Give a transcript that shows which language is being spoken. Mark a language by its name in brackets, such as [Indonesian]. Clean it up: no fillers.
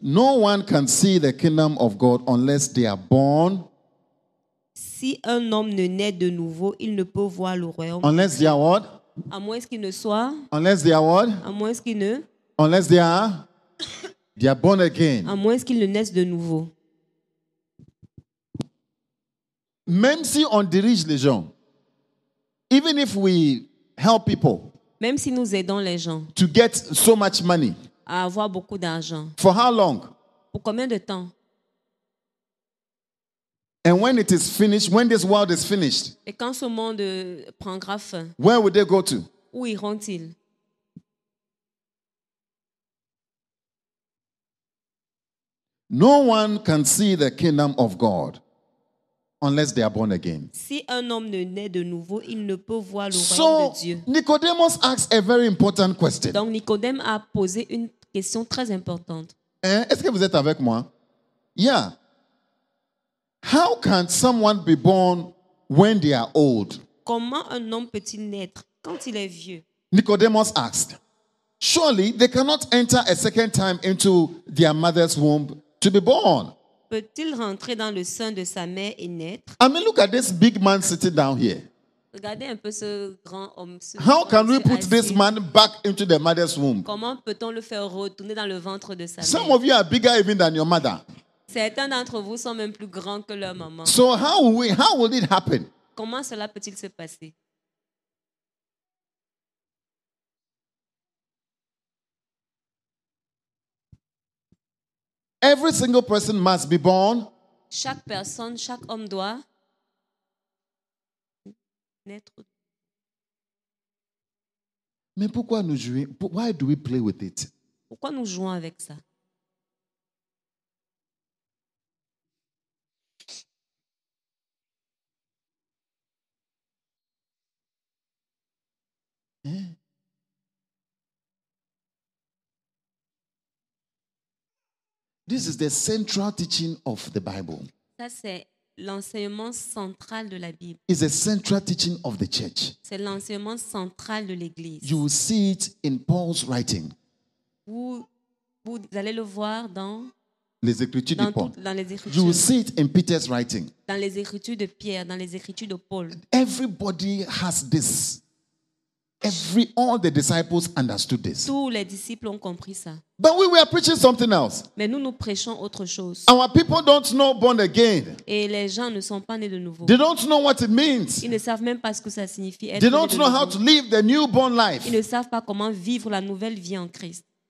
[English] No one can see the kingdom of God unless they are born. [French] Si un homme ne naît de nouveau, il ne peut voir le royaume. [English] Unless they are what? [French] À moins qu'il ne soit. [English] Unless they are what? [French] À moins qu'il ne. [English] Unless they are born again. [French] À moins qu'il ne naisse de nouveau. Même si on dirige les gens, [English] even if we help people, [French] même si nous aidons les gens, [English] to get so much money, [French] à avoir beaucoup d'argent, [English] for how long? [French] Pour combien de temps? [English] And when it is finished, when this world is finished, [French] et quand ce monde prendra fin, [English] where would they go to? [French] Où iront-ils? [English] No one can see the kingdom of God unless they are born again. [French] Si un homme ne naît de nouveau, il ne peut voir le [English] so, [French] royaume de Dieu. [English] So Nicodemus asks a very important question. [French] Donc Nicodème a posé une question très importante. Est-ce que vous êtes avec moi? [English] Yeah. How can someone be born when they are old? [French] Comment un homme peut-il naître quand il est vieux? [English] Nicodemus asked. Surely they cannot enter a second time into their mother's womb to be born. [French] Peut-il rentrer dans le sein de sa mère et naître? [English] I mean, look at this big man sitting down here. [French] Regardez un peu ce grand homme. Ce [English] How can we put this man back into the mother's womb? [French] Comment peut-on le faire retourner dans le ventre de sa mère? [English] Some of you are bigger even than your mother. [French] Certains d'entre vous sont même plus grands que leur maman. [English] So how will it happen? [French] Comment cela peut-il se passer? [English] Every single person must be born. [French] Chaque personne, chaque homme doit naître. Mais pourquoi nous jouons? [English] Why do we play with it? [French] Pourquoi nous jouons avec ça? [English] This is the central teaching of the Bible. [French] Ça, c'est l'enseignement central de la Bible. [English] It's a central teaching of the church. [French] C'est l'enseignement central de l'Église. [English] You will see it in Paul's writing. [French] Vous allez le voir dans les Écritures de Paul. Dans les Écritures. [English] You will see it in Peter's writing. [French] Dans les Écritures de Pierre, dans les Écritures de Paul. [English] Everybody has this. All the disciples understood this. [French] Tous les disciples ont compris ça. [English] But we were preaching something else. [French] Mais nous prêchons autre chose. [English] Our people don't know born again. [French] Et les gens ne sont pas nés de nouveau. [English] They don't know what it means. [French] Ils ne savent même pas ce que ça signifie être [English] They don't know how to live the newborn life. [French] Ils ne savent pas comment vivre la nouvelle vie en Christ.